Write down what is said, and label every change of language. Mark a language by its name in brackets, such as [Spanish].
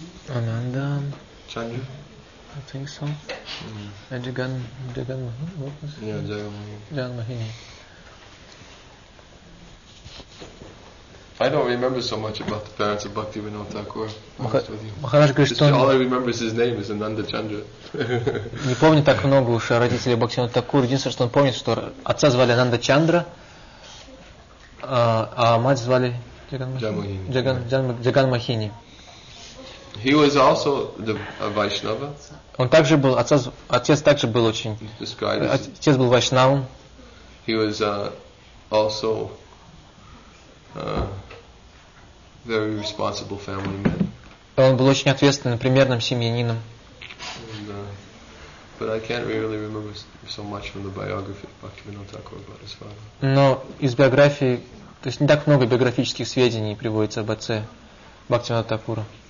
[English] Ananda Chandra. I think so. Mm. And Jagan Mahini. What was it? Yeah, Jagan Mahini. I don't remember so much about the parents of Bhaktivinoda Thakur. [Russian] Махарадж говорит, что [English] all I remember is his name is Ananda Chandra. [Russian] Не помню так много уж о родителях Бхактивинода Такура. Единственное, что он помнит, что отца звали Ананда Чандра, а мать звали Джаган Махини. [English] He was also the Vaishnava. [Russian] Он также был отец также был очень. Отец был вайшнавом. [English] He was also very responsible family man. [Russian] Он был очень ответственным, примерным семьянином. [English] But I can't really remember so much from the biography of Bhaktivinoda Thakur about his father. [Russian] Но из биографии, то есть не так много биографических сведений приводится об отце Бхактивинода Такура.